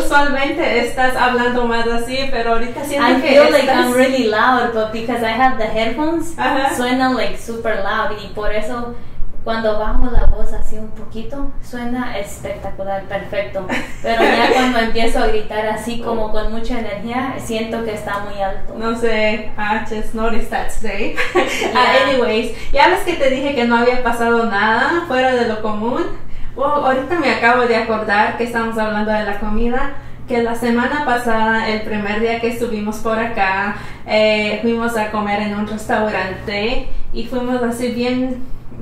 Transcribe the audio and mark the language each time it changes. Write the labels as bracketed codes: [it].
[es] Usualmente estás hablando más así, pero ahorita siento que estás... [en] I feel like I'm really loud, but because I have the headphones, [es] suena [en] like super loud, [es] y por eso... Cuando bajo la voz así un poquito, suena espectacular, perfecto. Pero ya cuando empiezo a gritar así como con mucha energía, siento que está muy alto. No sé, [en] I just noticed that safe. Yeah. [es] Anyways, ya ves que te dije que no había pasado nada fuera de lo común. Wow, ahorita me acabo de acordar que estamos hablando de la comida. Que la semana pasada, el primer día que estuvimos por acá, fuimos a comer en un restaurante y fuimos así bien...